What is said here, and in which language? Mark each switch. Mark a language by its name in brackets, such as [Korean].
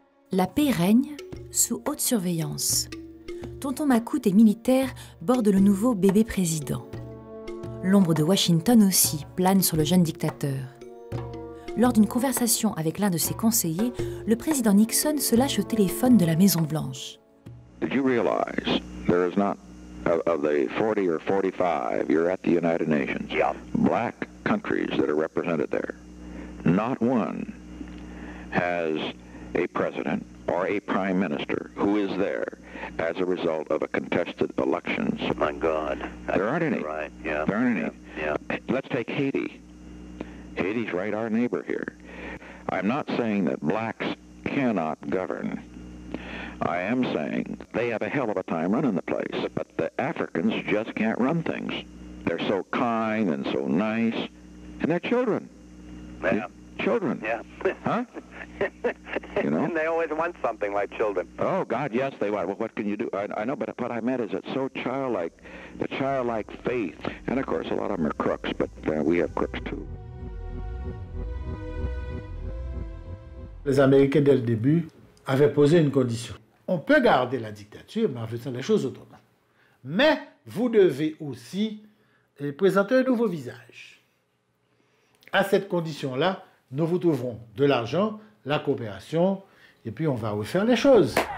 [French] La paix règne sous haute surveillance. Tonton Macoute et militaires bordent le nouveau bébé président. L'ombre de Washington aussi plane sur le jeune dictateur. Lors d'une conversation avec l'un de ses conseillers, le président Nixon se lâche au téléphone de la Maison-Blanche. [English] Did you realize there is not of the 40 or 45 you're at the United Nations? Yeah. Black countries that are represented there. Not one has a president or a prime minister who is there as a result of a contested election. My God. There aren't any. Right. Yeah. There aren't any. Yeah. let's take Haiti. Haiti's right our neighbor here. I'm not saying that blacks cannot govern. I am saying they have a hell of a time running the place, but the Africans just can't run things. They're so kind and so nice, and they're children. Yeah. Children. Yeah. Huh? You know? And they always want something like children. Oh, God, yes, they want. Well, what can you do? I know, but what I meant is it's so childlike, the childlike faith. And, of course, a lot of them are crooks, but we have crooks, too. [French] Les Américains, dès le début, avaient posé une condition. On peut garder la dictature, mais en faisant les choses autrement. Mais vous devez aussi présenter un nouveau visage. À cette condition-là, nous vous trouverons de l'argent, la coopération, et puis on va refaire les choses.